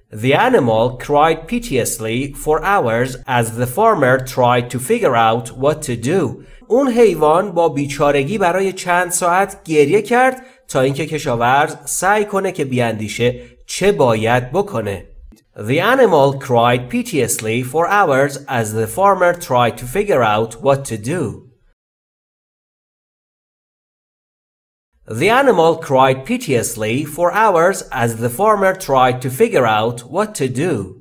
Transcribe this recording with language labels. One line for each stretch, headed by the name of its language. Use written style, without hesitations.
English: The animal cried piteously for hours as the farmer tried to figure out what to do.
Persian: اون حیوان با بیچارگی برای چند ساعت گریه کرد تا اینکه کشاورز سعی کنه که بیاندیشه چه باید بکنه.
English: The animal cried piteously for hours as the farmer tried to figure out what to do. The animal cried piteously for hours as the farmer tried to figure out what to do.